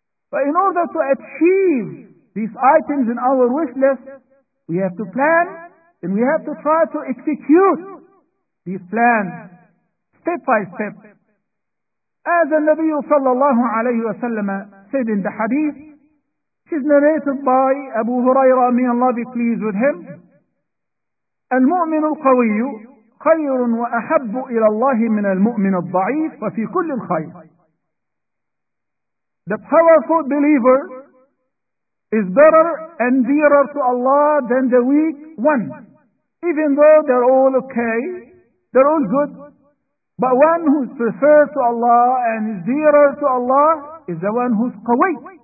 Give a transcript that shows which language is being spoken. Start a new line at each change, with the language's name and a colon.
English: But in order to achieve these items in our wish list, we have to plan and we have to try to execute these plans step by step. As the Nabi sallallahu alayhi wa sallam said in the hadith, which is narrated by Abu Hurairah, may Allah be pleased with him.
Arabic: المؤمن القوي خير وأحب إلى الله من المؤمن الضعيف وفي كل الخير.
English: The powerful believer is better and dearer to Allah than the weak one. Even though they're all okay, they're all good, but one who is preferred to Allah and is dearer to Allah is the one who's قوي.